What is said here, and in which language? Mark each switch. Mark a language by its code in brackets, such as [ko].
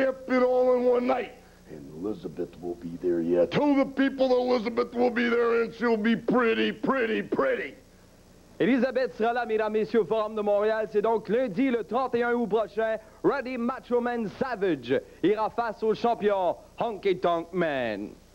[en] And Elizabeth will be there, yeah. Tell the people that Elizabeth will be there and she'll be pretty, pretty, pretty. [fr] Elizabeth sera là, mesdames, messieurs, au Forum de Montréal. C'est donc lundi, le 31 août prochain. Randy Macho Man Savage ira face au champion Honky Tonk Man.